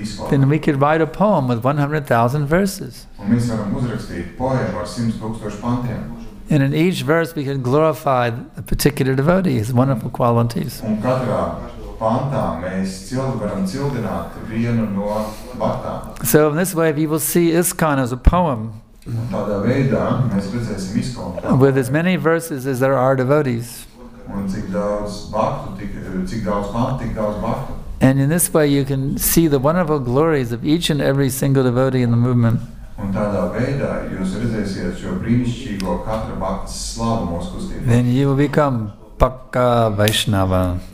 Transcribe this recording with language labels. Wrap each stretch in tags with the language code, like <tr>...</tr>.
<en>Then we could write a poem with 100,000 verses. And in each verse we can glorify a particular devotee, his wonderful qualities.</en> <lv>Un katrā pantā mēs varam cildināt vienu no bhaktām.</lv> <en>So in this way we will see ISKCON as a poem.</en> <lv>Un tādā veidā mēs redzēsim ISKCON.</lv> <en>With as many verses as there are devotees.</en> <lv>Un cik daudz bhaktu, cik daudz pantu, tik daudz bhaktu.</lv> <en>And in this way you can see the wonderful glories of each and every single devotee in the movement.</en> <lv>Un tādā veidā jūs redzēsiet šo brīnišķīgo katra bhakta slavu mūsu kustībā.</lv> <en>Then you will become Pakka Vaishnava.</en>